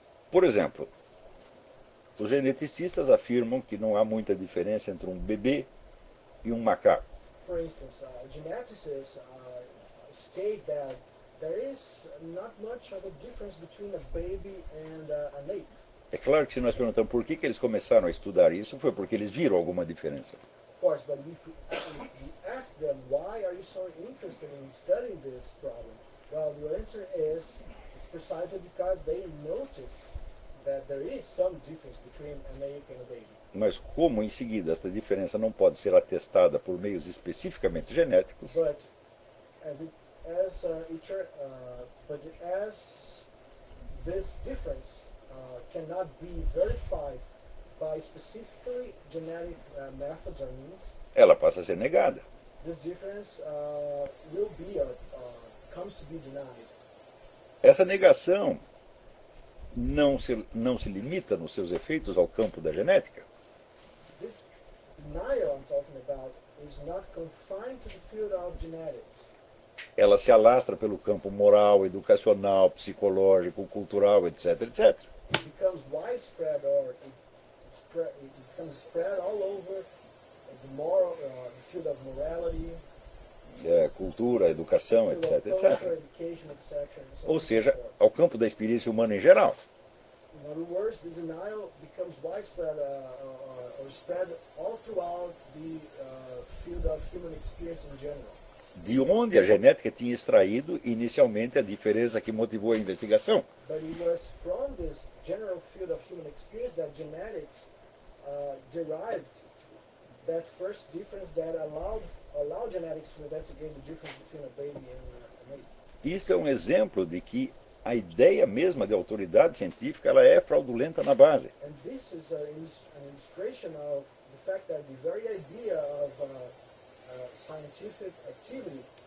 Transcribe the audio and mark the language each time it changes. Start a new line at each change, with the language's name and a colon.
Portuguese: Por exemplo, os geneticistas afirmam que não há muita diferença entre um bebê e um macaco.
English: For instance, geneticists state that there is not much of a difference between a baby and an ape.
Portuguese: É claro que se nós perguntamos por que, que eles começaram a estudar isso, foi porque eles viram alguma diferença.
English: Of course, but if we ask them, why are you so interested in studying this problem? Well, the answer is, it's precisely because they notice that there is some difference between an ape and a baby.
Portuguese: Mas como, em seguida, esta diferença não pode ser atestada por meios especificamente genéticos?
English: But as this difference cannot be verified by specifically genetic methods or means,
Portuguese: ela passa a ser negada.
English: This difference will be or comes to be denied.
Portuguese: Essa negação não se limita nos seus efeitos ao campo da genética?
English: This denial I'm talking about is not confined to the field of genetics.
Portuguese: Ela se alastra pelo campo moral, educacional, psicológico, cultural, etc, etc.
English: It becomes widespread or it becomes spread all over the moral, the field of morality.
Portuguese: Cultura, educação, etc, etc.
English: Education, etc.
Portuguese: Ou seja, ao campo da experiência humana em geral.
English: In other words, this denial becomes widespread or spread all throughout the field of human experience in general.
Portuguese: De onde a genética tinha extraído inicialmente a diferença que motivou a investigação?
English: But it was from this general field of human experience that genetics derived that first difference that allowed genetics to investigate the difference between a baby and an ape.
Portuguese: Isso é um exemplo de que a ideia mesma de autoridade científica ela é fraudulenta na base.
English: And this is an illustration of the fact that the very idea of scientific activity,